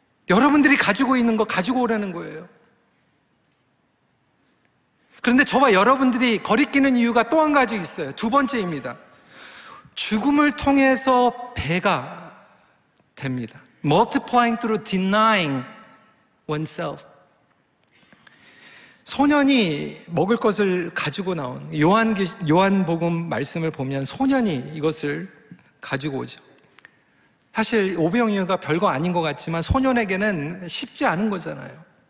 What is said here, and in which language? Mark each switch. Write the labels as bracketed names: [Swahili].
[Korean] 여러분들이 가지고 있는 거 가지고 오라는 거예요. 그런데 저와 여러분들이 거리끼는 이유가 또 한 가지 있어요. 두 번째입니다. 죽음을 통해서 배가 됩니다. [English] Multiplying through denying oneself. [Korean] 소년이 먹을 것을 가지고 나온 요한복음 말씀을 보면 소년이 이것을 가지고 오죠. 사실 오병 이어가 별거 아닌 것 같지만 소년에게는 쉽지 않은 거잖아요.